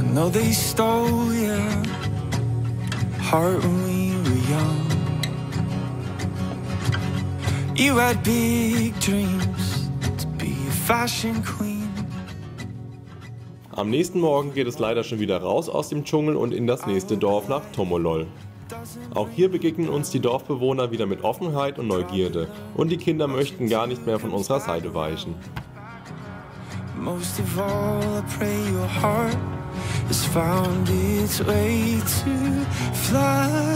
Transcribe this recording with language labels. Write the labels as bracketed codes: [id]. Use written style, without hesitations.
[en] They stole your heart when we were young. You had big dreams to be a fashion queen. [de] Am nächsten Morgen geht es leider schon wieder raus aus dem Dschungel und in das nächste Dorf nach Tomolol. Auch hier begegnen uns die Dorfbewohner wieder mit Offenheit und Neugierde und die Kinder möchten gar nicht mehr von unserer Seite weichen. [en] Most of all, I pray your heart has found its way to fly.